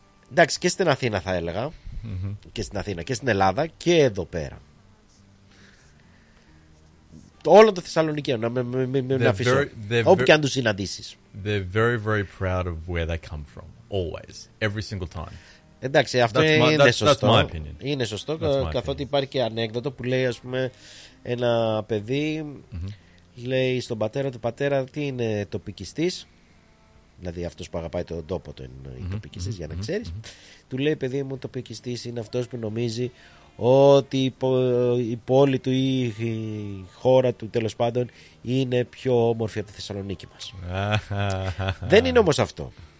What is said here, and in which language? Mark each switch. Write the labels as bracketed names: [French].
[Greek] Εντάξει, και στην Αθήνα θα έλεγα, και στην Αθήνα και στην Ελλάδα και εδώ πέρα. Όλο το Θεσσαλονικείο, να μην αφήσω, όπου και αν τους συναντήσεις. [English] They're very, very proud of where they come from, always, every single time. [Greek] Εντάξει, αυτό είναι σωστό. Είναι σωστό, καθότι υπάρχει και ανέκδοτο που λέει, ας πούμε, ένα παιδί, λέει στον πατέρα του, πατέρα, τι είναι τοπικιστής. Δηλαδή αυτός που αγαπάει τον τόπο του είναι η τοπικιστής, για να ξέρεις. Του λέει, παιδί μου, τοπικιστής είναι αυτός που νομίζει ότι η πόλη του ή η χώρα του, τέλος πάντων, είναι πιο όμορφη από τη Θεσσαλονίκη μας. Δεν είναι όμως αυτό.